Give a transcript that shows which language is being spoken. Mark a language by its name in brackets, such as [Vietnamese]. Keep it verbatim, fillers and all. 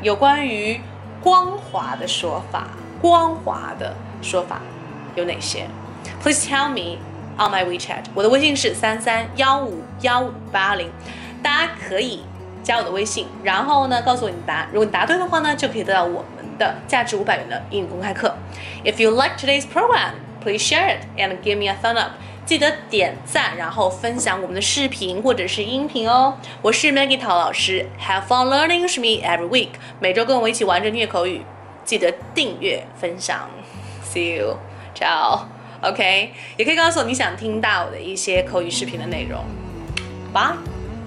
[Chinese] 有关于光滑的说法，光滑的说法有哪些 ？ [English] Please tell me on my WeChat. [Chinese] 我的微信是三三幺五幺五八零，大家可以加我的微信，然后呢告诉我你答案。如果你答对的话呢，就可以得到我们的价值五百元的英语公开课。 [English] If you like today's program, please share it and give me a thumbs up. [Chinese] 记得点赞，然后分享我们的视频或者是音频哦。 [English] 我是 Maggie 陶老师 ，Have fun learning with me every week。 [Chinese] 每周跟我一起玩着虐口语，记得订阅分享。 [English] See you, ciao. [Chinese] OK， 也可以告诉我你想听到的一些口语视频的内容。Bye.